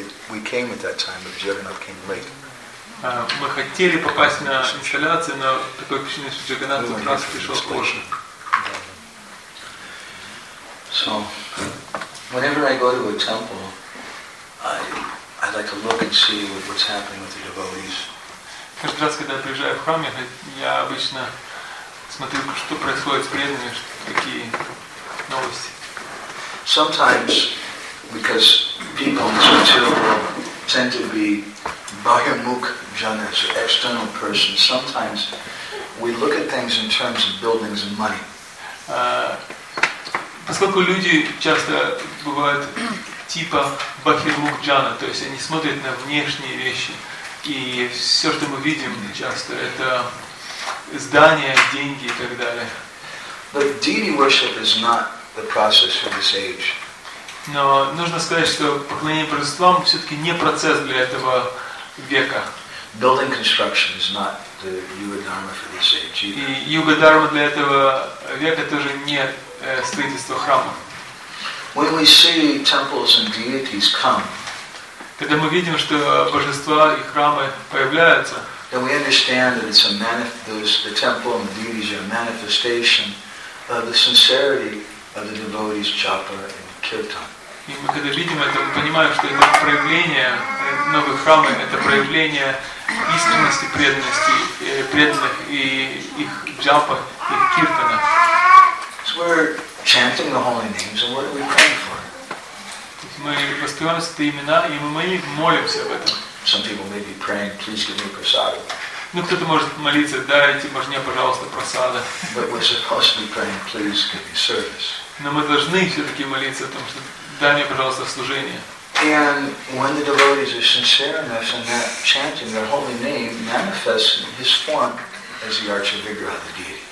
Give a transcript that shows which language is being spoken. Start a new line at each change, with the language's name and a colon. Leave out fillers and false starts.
English: We came at that time, but Jagannath came late.
Russian: Мы хотели попасть на инсталляцию, но такое впечатление, что Jagannath как раз пришел позже.
English: So, whenever I go to a temple, I like to look and see what's happening with the devotees.
Russian: Каждый раз, когда я приезжаю в храм, я обычно смотрю, что происходит с преданными, какие новости.
English: Sometimes, because people in the material world tend to be bahirmukh janas, or external persons. Sometimes we look at things in terms of buildings and money.
Russian: Поскольку люди часто бывают типа бахирмукх джана, то есть они смотрят на внешние вещи, и все, что мы видим часто, это здания, деньги и так далее.
English: But deity worship is not the process for this age.
Russian: Но нужно сказать, что поклонение божествам все-таки не процесс для этого века.
English: Building construction is not the yuga dharma for this age either.
Russian: И юга дхарма для этого века тоже не строительство храма.
English: When we see temples and deities come,
Russian: когда мы видим, что божества и храмы появляются,
English: then we understand that it's a the temple and the deities are a manifestation of the sincerity of the devotees, japa and kirtan.
Russian: И мы когда видим это, мы понимаем, что это проявление новых храмов, это проявление искренности, преданности преданных и их джапа, их киртана.
English: So we're chanting the holy names, and what are we praying for?
Russian: Мы воспеваем эти имена, и мы молимся об этом.
English: Some people may be praying, please give me prasada.
Russian: Ну, кто-то может молиться, дайте мне, пожалуйста, просада.
English: But we're supposed to be praying, please give me service.
Russian: Но мы должны все-таки молиться о том, что дай мне, пожалуйста, служение.
English: And when the devotees are sincere enough and they're chanting their holy name manifests in his form as the Archivigraha, the deity.